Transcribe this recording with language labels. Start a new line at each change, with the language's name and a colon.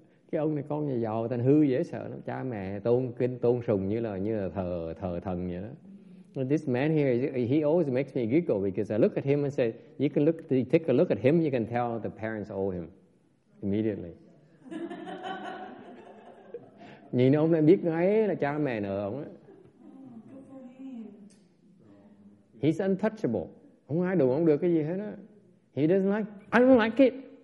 Vietnamese: Cái ông này con nhà giàu, thành hư. hư dễ sợ lắm. Cha mẹ tôn kinh tôn sùng như là thờ thần vậy đó.
English: Well, this man here, he always makes me giggle because I look at him and say, you can look, take a look at him, you can tell the parents owe him immediately.
Vietnamese: Nhìn ông này biết ngay là cha mẹ nợ ông ấy.
English: He's untouchable.
Vietnamese: Không ai đụng ông được cái gì hết á.
English: He doesn't like. I don't like it.